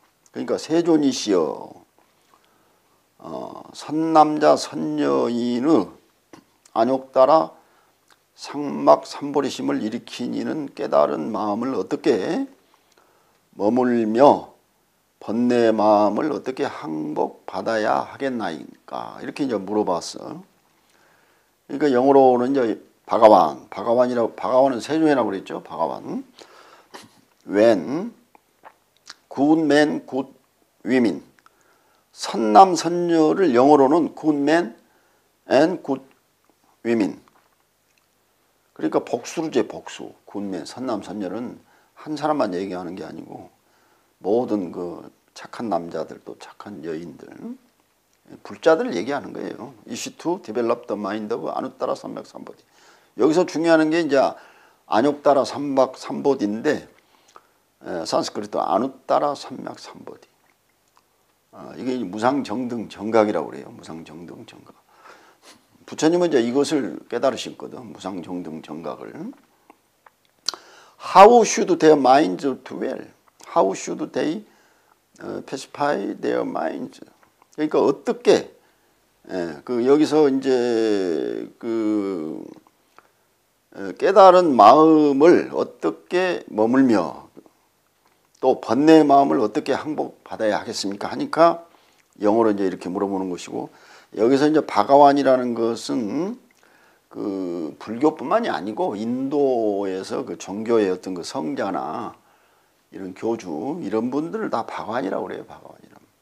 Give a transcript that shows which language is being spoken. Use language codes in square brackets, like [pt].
[ko] 그러니까 세존이시여, 선남자 선녀인의 안욕 따라 삼맥 삼보리심을 일으킨 이는 깨달은 마음을 어떻게 머물며 번뇌 마음을 어떻게 항복받아야 하겠나이까? 이렇게 이제 물어봤어. 그러니까 영어로는 이제 바가완, 바가완이라고, 바가완은 세존이라고 그랬죠. 바가완. [en] When good men, good women, [ko] 선남 선녀를 영어로는 [en] good men and good women. [ko] 그러니까 복수로죠, 복수. [en] good men, [ko] 선남 선녀는 한 사람만 얘기하는 게 아니고 모든 그 착한 남자들도 착한 여인들, 불자들 얘기하는 거예요. [en] Is to develop the mind of [ko] 아누따라 삼맥 삼보디. 여기서 중요한 게 이제 아뇨따라 삼맥 삼보디인데, 산스크리트 아누따라 삼맥 삼보디. 이게 무상정등 정각이라고 그래요. 무상정등 정각. 부처님은 이제 이것을 깨달으셨거든. 무상정등 정각을. [en] How should their minds dwell? How should they pacify their minds? [ko] 그러니까 어떻게, 그 여기서 이제 그 깨달은 마음을 어떻게 머물며 또 번뇌의 마음을 어떻게 항복받아야 하겠습니까? 하니까 영어로 이제 이렇게 물어보는 것이고, 여기서 이제 바가완이라는 것은 그 불교뿐만이 아니고 인도에서 그 종교의 어떤 그 성자나 이런 교주 이런 분들을 다 바가완이라고 그래요. 바가완이라.